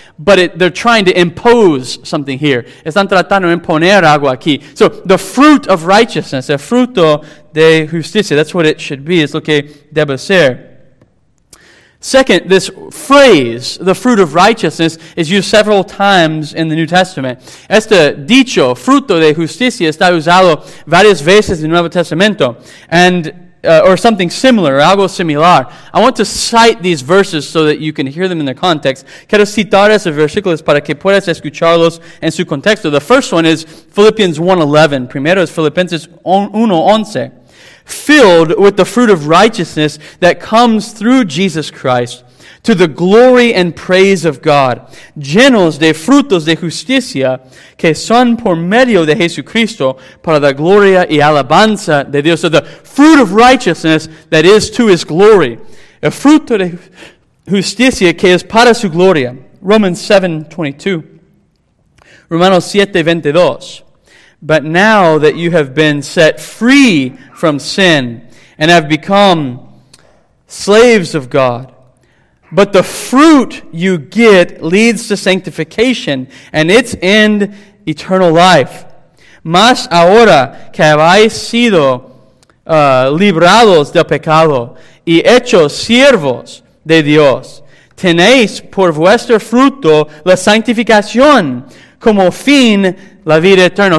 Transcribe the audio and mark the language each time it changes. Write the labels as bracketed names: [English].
[English] But they're trying to impose something here. [Spanish] Están tratando de imponer algo aquí. [English] So, the fruit of righteousness, [Spanish] el fruto de justicia. [English] That's what it should be. [Spanish] Es lo que debe ser. [English] Second, this phrase, the fruit of righteousness, is used several times in the New Testament. [Spanish] Este dicho, fruto de justicia, está usado varias veces en el Nuevo Testamento. [English] Or something similar, [Spanish] algo similar. [English] I want to cite these verses so that you can hear them in their context. [Spanish] Quiero citar esos versículos para que puedas escucharlos en su contexto. [English] The first one is Philippians 1:11. [Spanish] Primero es Filipenses 1:11. [English] Filled with the fruit of righteousness that comes through Jesus Christ to the glory and praise of God. [Spanish] Llenos de frutos de justicia que son por medio de Jesucristo para la gloria y alabanza de Dios. [English] So the fruit of righteousness that is to his glory. [Spanish] El fruto de justicia que es para su gloria. Romans 7:22. [English] Romanos 7:22. But now that you have been set free from sin and have become slaves of God, but the fruit you get leads to sanctification and its end, eternal life. [Spanish] Mas ahora que habéis sido librados del pecado y hechos siervos de Dios, tenéis por vuestro fruto la santificación, como fin la vida eterna.